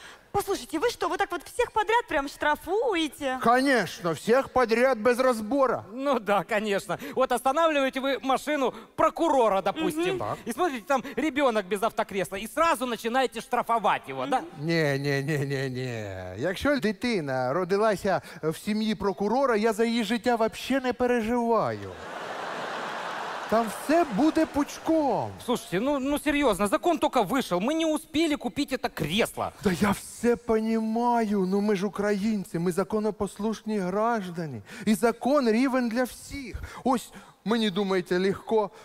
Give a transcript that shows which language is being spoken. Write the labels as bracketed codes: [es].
[ru] Послушайте, вы что, вы так вот всех подряд прям штрафуете? Конечно, всех подряд без разбора. Ну да, конечно. Вот останавливаете вы машину прокурора, допустим. Угу. И смотрите, там ребенок без автокресла. И сразу начинаете штрафовать его, угу. Да? Не-не-не-не-не. [uk] Якщо дитина родилася в сім'ї прокурора, я за її життя [ru] вообще не переживаю. Там все будет пучком. Слушайте, ну серьезно, закон только вышел. Мы не успели купить это кресло. Да я все понимаю. Но мы же украинцы, мы законопослушные граждане. И закон рівен для всех. Ось, мне думаете, легко.